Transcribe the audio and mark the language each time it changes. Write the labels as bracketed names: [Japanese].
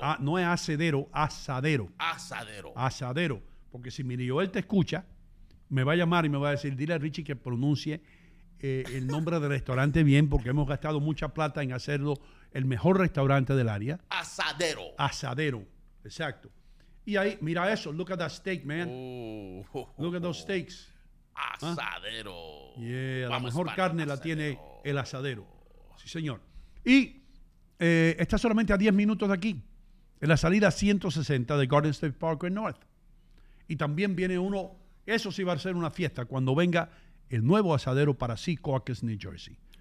[Spanish] Ah, no es asadero, asadero. Asadero. Asadero. Porque si mi tío él te escucha, me va a llamar y me va a decir, dile a Richie que pronuncie el nombre del restaurante bien, porque hemos gastado mucha plata en hacerlo el mejor restaurante del área. Asadero. Asadero, exacto. Y ahí, mira eso, [English] look at that steak, man. Look at those steaks. [Spanish] Asadero. ¿Ah? Yeah, vamos, la mejor carne la tiene el asadero. Sí, señor. Y está solamente a 10 minutos de aquí, en la salida 160 de Garden State Parkway North. Y también viene uno, eso sí va a ser una fiesta, cuando venga el nuevo asadero para Secaucus, New Jersey.